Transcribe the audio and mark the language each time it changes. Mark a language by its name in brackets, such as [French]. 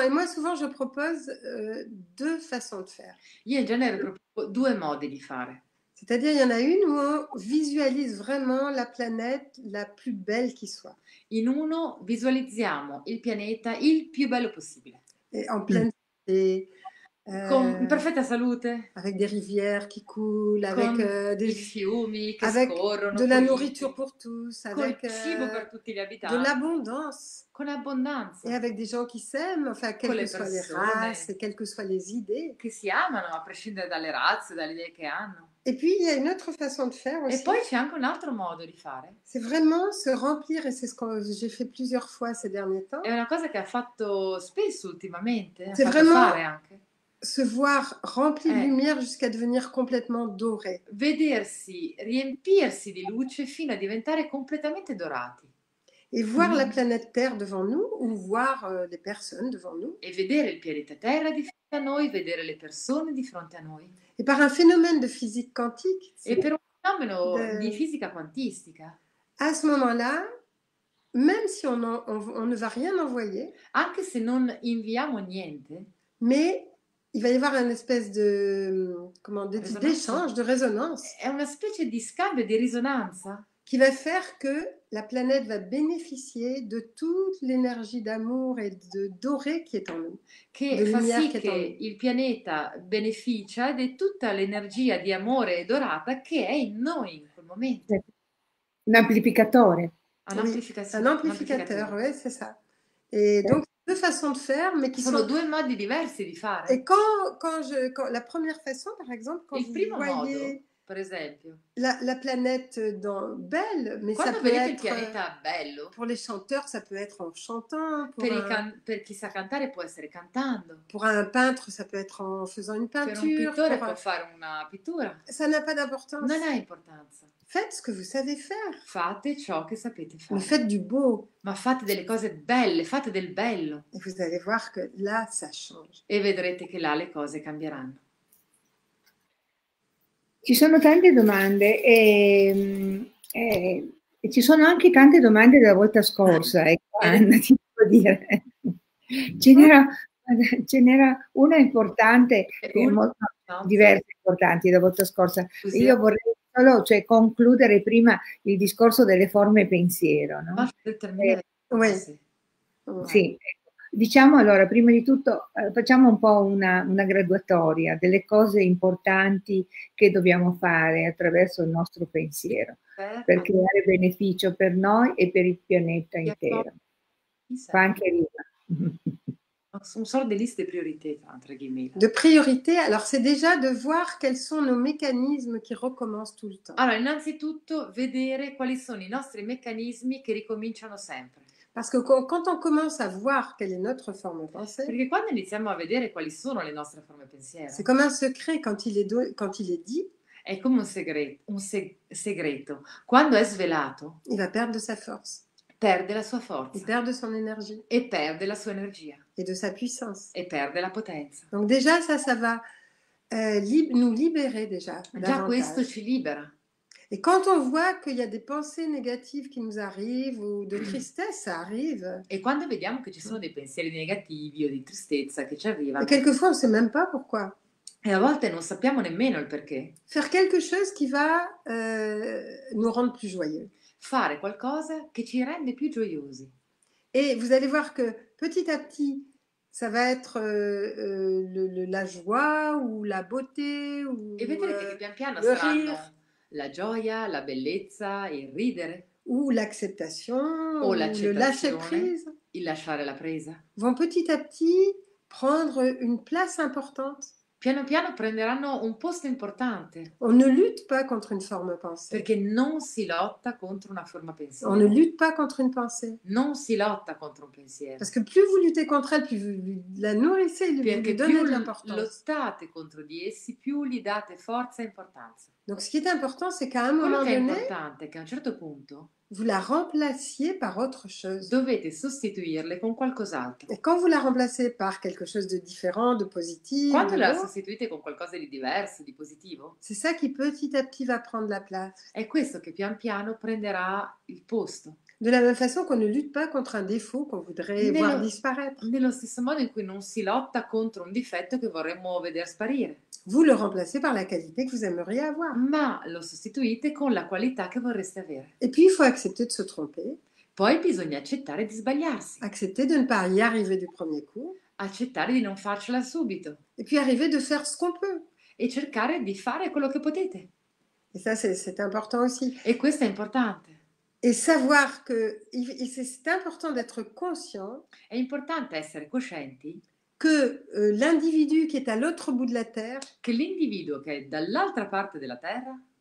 [French] Et moi, souvent, je propose deux façons de faire. [Italian] Io in genere propongo due modi di fare. [French] C'est-à-dire, il y en a une où on visualise vraiment la planète la plus belle qui soit. [Italian] In uno visualizziamo il pianeta il più bello possibile. [French] Et en pleine santé. [Italian] Con perfetta salute. [French] Avec des rivières qui coulent, avec [Italian] des fiumi che [French] avec [Italian] scorrono. [French] De la nourriture pour tous, avec [Italian] cibo per tutti gli abitanti. [French] De l'abondance. [Italian] Con abbondanza. [French] Et avec des gens qui s'aiment, enfin, quelles que soient les races et quelles que soient les idées. [Italian] Che si amano, a prescindere dalle razze, dalle idee che hanno. [French] Et puis il y a une autre façon de faire aussi. [Italian] E poi c'è anche un altro modo di fare. [French] C'est vraiment se remplir et c'est ce que j'ai fait plusieurs fois ces derniers temps. [Italian] È una cosa che ha fatto spesso ultimamente. [French] C'est vraiment [Italian] fare anche. [French] Se voir rempli di lumière jusqu'à devenir complètement doré. [Italian] Vedersi, riempirsi di luce fino a diventare completamente dorati. [French] Et voir la planète Terre devant nous ou voir les personnes devant nous. [Italian] E vedere il pianeta Terra di fronte a noi, vedere le persone di fronte a noi. [French] Et par un phénomène de physique quantique. [Italian] E per un fenomeno di fisica quantistica. [French] À ce moment-là, même si on ne va rien envoyer. [Italian] Anche se non inviamo niente. [French] Mais il va y avoir une espèce de comment d'échange de résonance. [Italian] È una specie di scambio di risonanza [French] qui va faire que la planète va bénéficier de toute l'énergie d'amour et de doré qui est en nous. [Italian] Che fa sì che il pianeta beneficia di tutta l'energia di amore e dorata che è in noi in quel momento. Un amplificatore. Un amplificatore, [French] ouais, c'est ça. Et donc deux façons de faire, mais qui [Italian] sono due modi diversi di fare. [French] Et quand la première façon, par exemple, quand [Italian] il [French] vous voyez [Italian] modo, per esempio, [French] la planète dans belle, mais [Italian] quando [French] ça peut être [Italian] il pianeta bello, [French] pour les chanteurs, ça peut être en chantant, [Italian] per chi sa cantare può essere cantando, [French] pour un peintre, ça peut être en faisant une peinture, [Italian] per un pittore può fare una pittura, [French] ça n'a pas d'importance, [Italian] non ha importanza. [French] Faites ce que vous savez faire. [Italian] Fate ciò che sapete fare. [French] Mais faites du beau. [Italian] Ma fate delle cose belle, fate del bello. [French] Et vous allez voir que là, ça change. [Italian] E vedrete che là le cose cambieranno. Ci sono tante domande e ci sono anche tante domande della volta scorsa, Anna, ti devo dire. Ce n'era una importante e molto diverse importanti della volta scorsa. Così. Io vorrei solo, cioè, concludere prima il discorso delle forme pensiero, no? Sì. Diciamo allora, prima di tutto, facciamo un po' una graduatoria delle cose importanti che dobbiamo fare attraverso il nostro pensiero per creare beneficio per noi e per il pianeta intero. Fa anche rima. Sono solo delle liste priorità, [French] entre guillemets. [Italian] De priorità, allora, [French] c'est déjà de voir quels sont nos mécanismes qui recommencent tout le temps. [Italian] Allora, innanzitutto, vedere quali sono i nostri meccanismi che ricominciano sempre. [French] Parce que quand on commence à voir quelle est notre forme pensée. [Italian] Perché quando iniziamo a vedere quali sono le nostre forme pensiero. [French] C'est comme un secret quand il est dit. [Italian] È come un segreto. Quando è svelato. [French] Il va perdre sa force. [Italian] Perde la sua forza. [French] Il perde son énergie. [Italian] E perde la sua energia. [French] Et de sa puissance. [Italian] E perde la potenza. [French] Donc déjà ça va nous libérer déjà. [Italian] Già questo ci libera. [French] Et quand on voit qu'il y a des pensées négatives qui nous arrivent ou de tristesse, ça arrive. [Italian] E quando vediamo che ci sono dei pensieri negativi o di tristezza che ci arrivano. [French] Quelquefois on ne sait même pas pourquoi. Et à volte, nous ne savons même pas le pourquoi. Faire quelque chose qui va nous rendre plus joyeux. Faire quelque chose qui nous rend plus joyeux. Et vous allez voir que petit à petit, ça va être la joie ou la beauté ou [Italian] et vedrete che pian piano [French] le rire. [Italian] La gioia, la bellezza, il ridere. [French] Ou l'acceptation, ou le lâcher prise. [Italian] Il lasciare la presa. [French] Vont petit à petit prendre une place importante. [Italian] Piano piano prenderanno un posto importante. [French] On ne lutte pas contre une forme pensée. [Italian] Perché non si lotta contro una forma pensiero. [French] On ne lutte pas contre une pensée. [Italian] Non si lotta contro un pensiero. [French] Parce que plus vous luttez contre elle, plus vous la nourrissez, plus vous lui donnez l'importance. [Italian] Lottate contro di essi, più gli date forza e importanza. [French] Donc ce qui est important, c'est qu'à un moment donné, [Italian] quello che è importante è che a un certo punto [French] vous la remplaciez par autre chose. [Italian] Dovete sostituirle con qualcos'altro. [French] Et quand vous la remplacez par quelque chose de différent, de positif, [Italian] quando la sostituite con qualcosa di diverso, di positivo, [French] c'est ça qui petit à petit va prendre la place. [Italian] È questo che pian piano prenderà il posto. [French] De la même façon qu'on ne lutte pas contre un défaut qu'on voudrait voir disparaître. [Italian] Nello stesso modo in cui non si lotta contro un difetto che vorremmo vedere sparire. [French] Vous le remplacez par la qualité que vous aimeriez avoir. [Italian] Ma lo sostituite con la qualità che vorreste avere. [French] Et puis il faut accepter de se tromper. [Italian] Poi bisogna accettare di sbagliarsi. [French] Accepter de ne pas y arriver du premier coup. [Italian] Accettare di non farcela subito. [French] Et puis arriver de faire ce qu'on peut. [Italian] E cercare di fare quello che potete. [French] Et ça c'est important aussi. [Italian] E questo è importante. [French] Et savoir que c'est important d'être conscient. [Italian] È importante essere coscienti. [French] Que l'individu qui est à l'autre bout de la terre, [Italian] che l'individuo che è dall'altra parte della terra,